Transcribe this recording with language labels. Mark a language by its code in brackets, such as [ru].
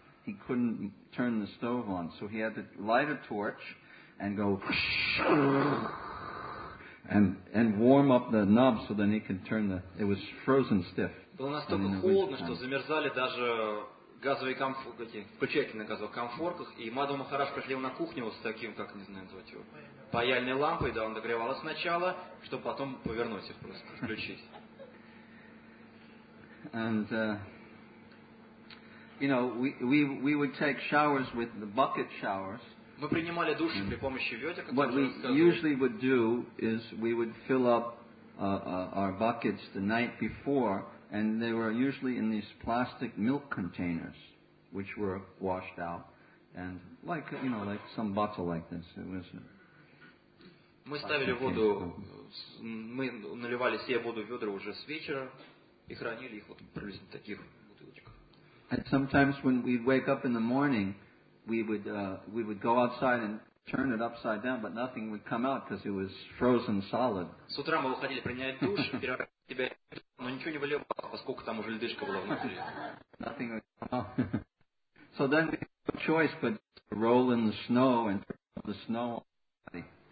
[en] He couldn't turn the stove on, so he had to light a torch and go and warm up the knobs so then he could turn the. It was frozen stiff. [ru] Было настолько холодно, что замерзали даже газовые включатели на газовых конфорках. И Мадху Махарадж приходил на кухню с таким, как не знаю, назвать его. Паяльной лампой, да, он догревал сначала, чтобы потом повернуть их просто, включить. [en] And, you know, we would take showers with the bucket showers. [ru] Мы принимали души при помощи ведер, как [en] What we usually would do is we would fill up our buckets the night before, and they were usually in these plastic milk containers, which were washed out, and like, you know, like some bottle like this, it was a, [ru] Мы ставили воду, мы наливали себе воду в ведра уже с вечера и хранили их вот приблизительно в таких бутылочках. [en] And sometimes when we'd wake up in the morning, we would go outside and turn it upside down, but nothing would come out because it was frozen solid. [ru] С утра мы выходили принять душ, переворачивали себя, но ничего не выливало, поскольку там уже ледышка была внутри. [en] Nothing would come out. So then we had no choice but to roll in the snow and throw the snow on the body.